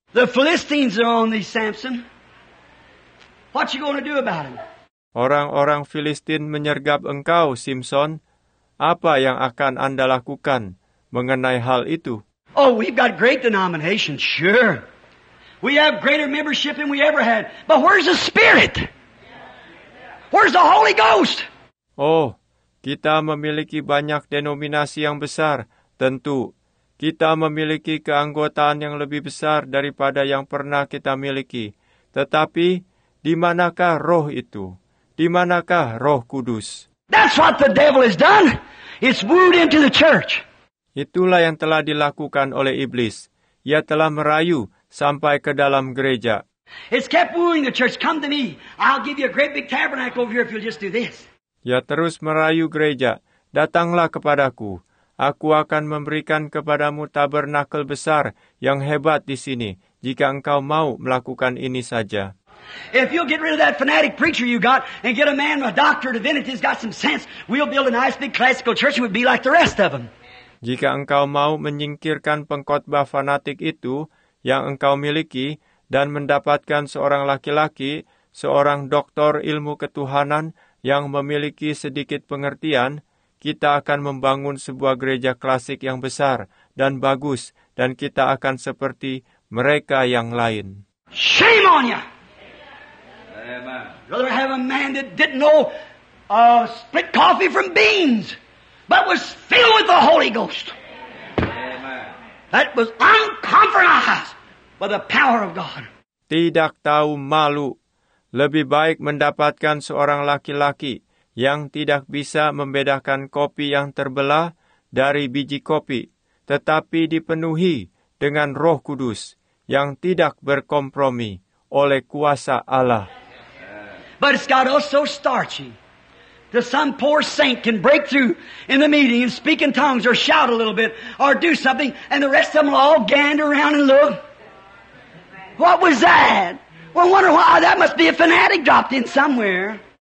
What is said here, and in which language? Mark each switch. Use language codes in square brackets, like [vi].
[en] The Philistines are on these, Samson. What you gonna do about them? [id] Orang-orang Filistin menyergap engkau, Simpson. Apa yang akan Anda lakukan mengenai hal itu? [en] Oh, we've got great denomination, sure. We have greater membership than we ever had. But where's the Spirit? Where's the Holy Ghost? [id] Oh, kita memiliki banyak denominasi yang besar, tentu. Kita memiliki keanggotaan yang lebih besar daripada yang pernah kita miliki. Tetapi, di manakah Roh itu? Di manakah Roh Kudus? [en] That's what the devil has done. It's wooed into the church. [id] Itulah yang telah dilakukan oleh iblis. Ia telah merayu sampai ke dalam gereja. [en] It's kept wooing the church. Come to me. I'll give you a great big tabernacle over here if you'll just do this. [id] Ya, terus merayu gereja. Datanglah kepadaku. Aku akan memberikan kepadamu tabernakel besar yang hebat di sini jika engkau mau melakukan ini saja. [en] If you'll get rid of that fanatic preacher you got and get a man with a doctor of divinity who's got some sense, we'll build a nice big classical church and we'll be like the rest of them. [id] Jika engkau mau menyingkirkan pengkhotbah fanatik itu yang engkau miliki, dan mendapatkan seorang laki-laki, seorang doktor ilmu ketuhanan yang memiliki sedikit pengertian, kita akan membangun sebuah gereja klasik yang besar dan bagus, dan kita akan seperti mereka yang lain. [en] Shame on ya! Amen. Rather have a man that didn't know split coffee from beans, but was filled with the Holy Ghost. Amen. That was uncompromised by the power of God. [id] Tidak tahu malu. Lebih baik mendapatkan seorang laki-laki yang tidak bisa membedakan kopi yang terbelah dari biji kopi, tetapi dipenuhi dengan Roh Kudus yang tidak berkompromi oleh kuasa Allah. [en] But it's got us so starchy that some poor saint can break through in the meeting and speak in tongues or shout a little bit or do something and the rest of them all gander around and look. What was that? Well, I wonder why. That must be a fanatic dropped in somewhere.